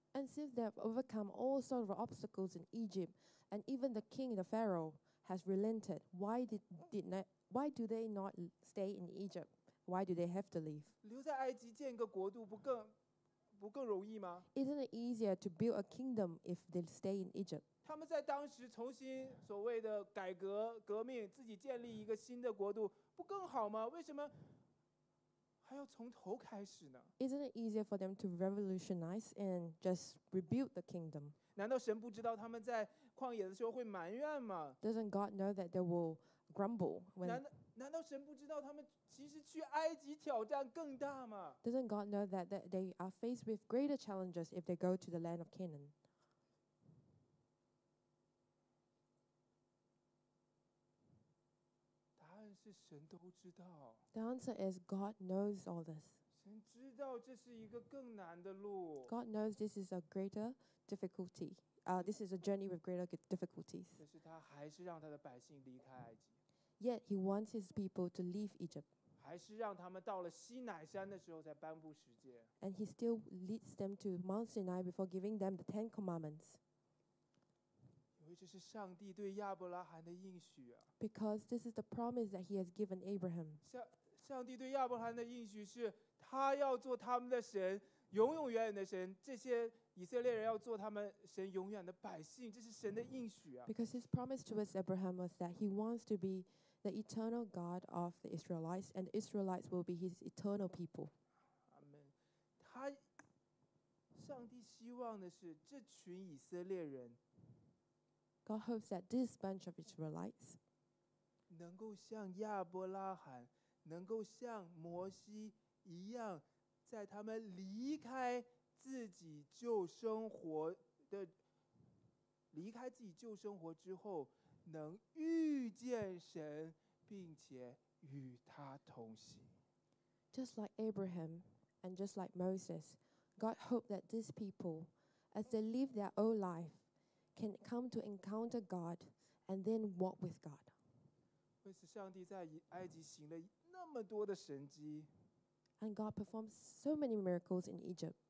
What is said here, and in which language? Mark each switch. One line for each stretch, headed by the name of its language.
English: And since they have overcome all sort of obstacles in Egypt, and even the king, the Pharaoh, has relented, why do they not stay in Egypt? Why do they have to leave?
Chinese: 留在埃及建个国度不更容易吗？
English: Isn't it easier to build a kingdom if they stay in Egypt?
Chinese: 他们在当时重新所谓的改革革命，自己建立一个新的国度，不更好吗？为什么还要从头开始呢？
English: Isn't it easier for them to revolutionize and just rebuild the kingdom?
Chinese: 难道神不知道他们在旷野的时候会埋怨吗？
English: Doesn't God know that they will grumble?
Chinese: 难道神不知道他们其实去埃及挑战更大吗？
English: Doesn't God know that they are faced with greater challenges if they go to the land of Canaan?
Chinese: 答案是神都知道。
English: The answer is God knows all this.
Chinese: 神知道这是一个更难的路。
English: God knows this is a greater difficulty. This is a journey with greater difficulties.
Chinese: 但是他还是让他的百姓离开埃及。
English: Yet he wants his people to leave Egypt.
Chinese: 还是让他们到了西乃山的时候才颁布十诫。
English: And he still leads them to Mount Sinai before giving them the Ten Commandments.
Chinese: 因为这是上帝对亚伯拉罕的应许啊。
English: Because this is the promise that he has given Abraham.
Chinese: 上帝对亚伯拉罕的应许是他要做他们的神，永永远远的神。这些以色列人要做他们神永远的百姓，这是神的应许啊。
English: Because his promise towards Abraham was that he wants to be the eternal God of the Israelites, and the Israelites will be his eternal people. Amen.
Chinese: 上帝希望的是这群以色列人。
English: God hopes that this bunch of Israelites
Chinese: 能够像亚伯拉罕，能够像摩西一样，在他们离开自己旧生活的，离开自己旧生活之后，能遇见神，并且与他同行。
English: Just like Abraham and just like Moses, God hoped that these people, as they live their old life, can come to encounter God and then walk with God.
Chinese: 为此，上帝在埃及行了那么多的神迹。
English: And God performed so many miracles in Egypt.